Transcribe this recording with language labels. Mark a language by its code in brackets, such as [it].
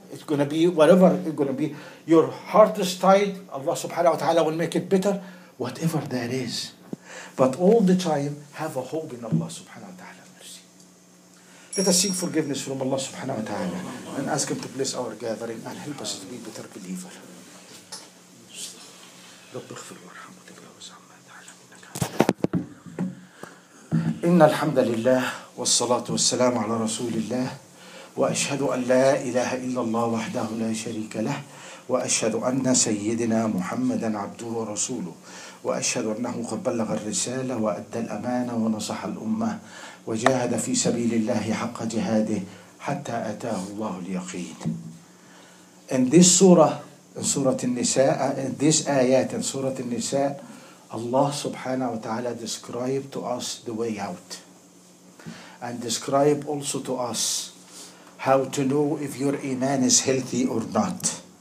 [en] It's going to be whatever. It's going to be your heart is tight. Allah subhanahu wa ta'ala will make it better. Whatever that is. But all the time, have a hope in Allah subhanahu wa ta'ala. Let us seek forgiveness from Allah subhanahu wa ta'ala and ask Him to bless our gathering and help us to be better believers. [ar] رب اغفر وارحم وتجاوز عما تعلم. إن الحمد لله والصلاة والسلام على رسول الله وأشهد أن لا إله إلا الله وحده لا شريك له وأشهد أن سيدنا محمدا عبده ورسوله وأشهد أنه قد بلغ الرسالة وأدى الأمانة ونصح الأمة وجاهد في سبيل الله حق جهاده حتى أتاه الله اليقين. [en] In this surah, in Surah An-Nisa, in this ayat in Surah An-Nisa, Allah subhanahu wa ta'ala described to us the way out. And described also to us how to know if your iman is healthy or not.